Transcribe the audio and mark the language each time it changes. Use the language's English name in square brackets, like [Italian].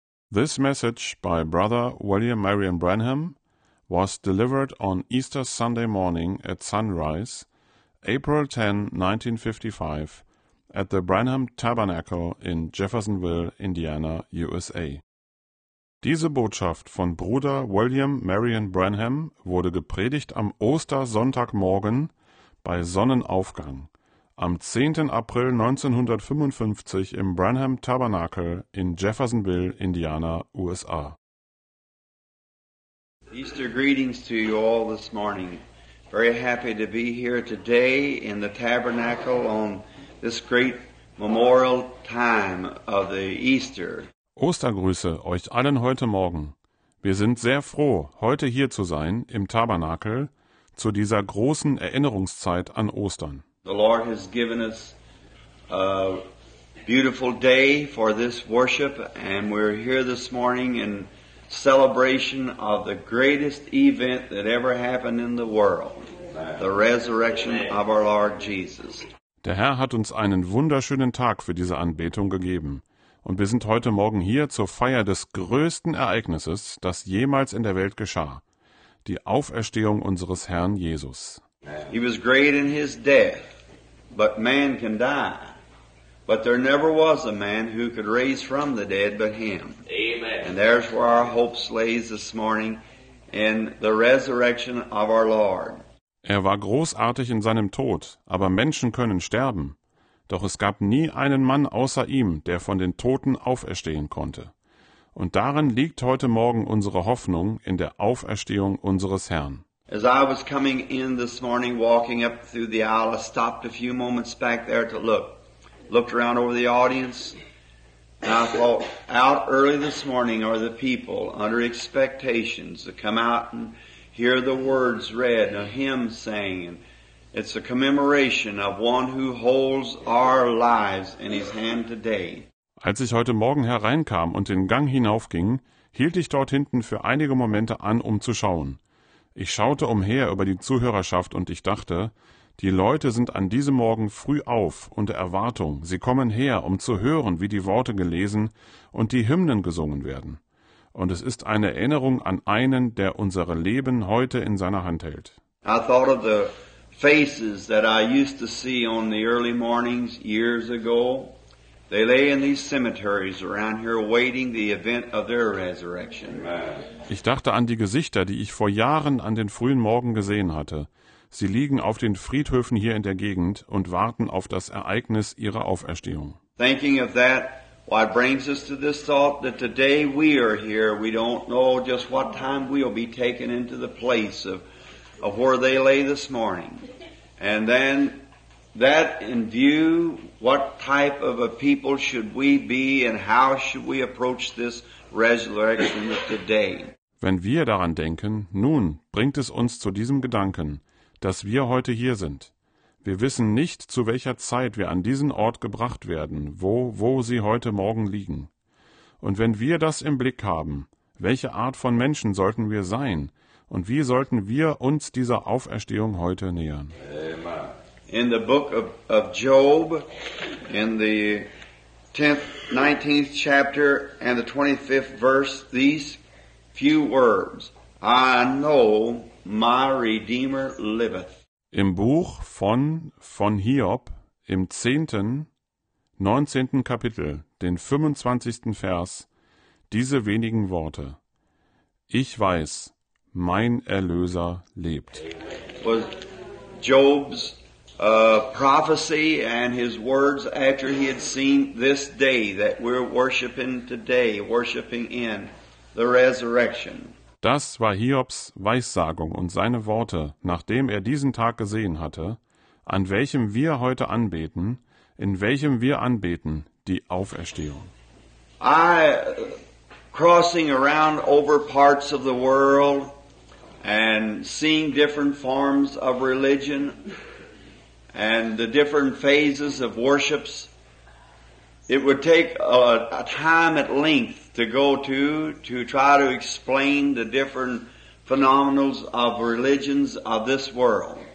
[English] This message by Brother William Marion Branham was delivered on Easter Sunday morning at sunrise, April 10, 1955, at the Branham Tabernacle in Jeffersonville, Indiana, USA. [German] Diese Botschaft von Bruder William Marion Branham wurde gepredigt am Ostersonntagmorgen bei Sonnenaufgang, am 10. April 1955 im Branham Tabernacle in Jeffersonville, Indiana, USA. [English] Easter greetings to you all this morning. Very happy to be here today in the Tabernacle on this great memorial time of the Easter. [German] Ostergrüße euch allen heute Morgen. Wir sind sehr froh, heute hier zu sein im Tabernakel zu dieser großen Erinnerungszeit an Ostern. [English] The Lord has given us a beautiful day for this worship, and we're here this morning in celebration of the greatest event that ever happened in the world, the resurrection of our Lord Jesus. [German] Der Herr hat uns einen wunderschönen Tag für diese Anbetung gegeben. Und wir sind heute Morgen hier zur Feier des größten Ereignisses, das jemals in der Welt geschah, die Auferstehung unseres Herrn Jesus. [English] He was great in his death, but man can die. But there never was a man who could raise from the dead but him. Amen. And there's where our hope lays this morning, in the resurrection of our Lord. [German] Er war großartig in seinem Tod, aber Menschen können sterben. Doch es gab nie einen Mann außer ihm, der von den Toten auferstehen konnte. Und darin liegt heute Morgen unsere Hoffnung in der Auferstehung unseres Herrn. [English] As I was coming in this morning, walking up through the aisle, I stopped a few moments back there to look. Looked around over the audience, and I thought, out early this morning are the people under expectations to come out and hear the words read, a hymn sang, and it's a commemoration of one who holds our lives in his hand today. [German] Als ich heute Morgen hereinkam und den Gang hinaufging, hielt ich dort hinten für einige Momente an, um zu schauen. Ich schaute umher über die Zuhörerschaft und ich dachte, die Leute sind an diesem Morgen früh auf unter Erwartung. Sie kommen her, um zu hören, wie die Worte gelesen und die Hymnen gesungen werden. Und es ist eine Erinnerung an einen, der unsere Leben heute in seiner Hand hält. [English] I thought of the faces that I used to see on the early mornings years ago. They lay in these cemeteries around here waiting the event of their resurrection. [German] Ich dachte an die Gesichter, die ich vor Jahren an den frühen Morgen gesehen hatte. Sie liegen auf den Friedhöfen hier in der Gegend und warten auf das Ereignis ihrer Auferstehung. [English] Thinking of that, what brings us to this thought that today we are here, we don't know just what time we'll be taken into the place of where they lay this morning. And then that in view, what type of a people should we be and how should we approach this resurrection of today? [German] Wenn wir daran denken, nun bringt es uns zu diesem Gedanken, dass wir heute hier sind. Wir wissen nicht, zu welcher Zeit wir an diesen Ort gebracht werden, wo sie heute Morgen liegen. Und wenn wir das im Blick haben, welche Art von Menschen sollten wir sein und wie sollten wir uns dieser Auferstehung heute nähern? [English] In the book of Job, in the 10th, 19th chapter and the 25th verse, these few words, I know my Redeemer liveth. [German] Im Buch von Hiob, im 10., 19. Kapitel, den 25. Vers, diese wenigen Worte. Ich weiß, mein Erlöser lebt. [English] Was Job's prophecy and his words after he had seen this day that we're worshiping today, worshiping in the resurrection. [German] Das war Hiobs Weissagung und seine Worte, nachdem er diesen Tag gesehen hatte, an welchem wir heute anbeten, in welchem wir anbeten, die Auferstehung. [English] I, crossing around over parts of the world and seeing different forms of religion and the different phases of worships, it would take a time at length to go to try to explain the different phenomena of religions of this world.